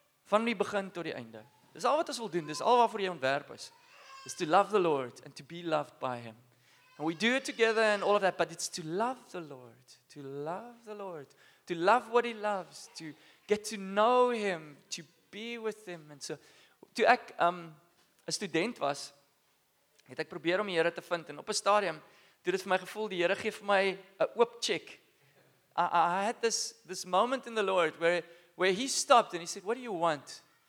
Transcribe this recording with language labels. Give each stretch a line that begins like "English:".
Afrikaans: Van die begin tot die einde. Dis al wat ons wil doen, dis al waarvoor jy ontwerp is.
English: Is to love the Lord and to be loved by him. And we do it together and all of that, but it's to love the Lord, to love the Lord, to love what he loves, to get to know him, to be with him.
Afrikaans: And so, toe ek 'n student was, het ek probeer om die Here te vind en op 'n stadium, toe dit vir my gevoel die Here gee vir my 'n oop check.
English: I had this moment in the Lord where he stopped and he said, "What do you want?"